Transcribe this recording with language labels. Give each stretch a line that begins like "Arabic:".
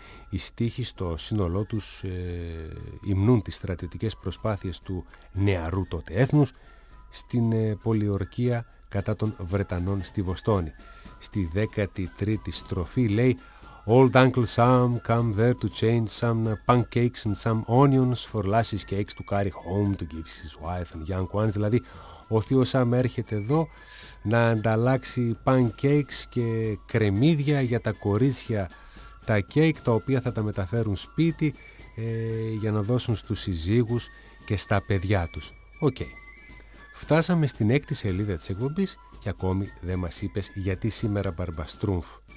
Greek: Οι στίχοι στο σύνολό τους υμνούν τις στρατιωτικές προσπάθειες του νεαρού τότε έθνους στην πολιορκία κατά των Βρετανών στη Βοστόνη. Στη 13η στροφή λέει
English: «Old Uncle Sam come there to change some pancakes and some onions for lassies cakes to carry home to give his wife and young ones».
Greek: Δηλαδή, ο θείος Σαμ έρχεται εδώ να ανταλλάξει pancakes και κρεμμύδια για τα κορίτσια τα κέικ, τα οποία θα τα μεταφέρουν σπίτι για να δώσουν στους συζύγους και στα παιδιά τους. Οκ. Okay. Φτάσαμε στην 6η σελίδα της εκπομπής και ακόμη δεν μας είπες γιατί σήμερα Μπαρμπαστρούμφ.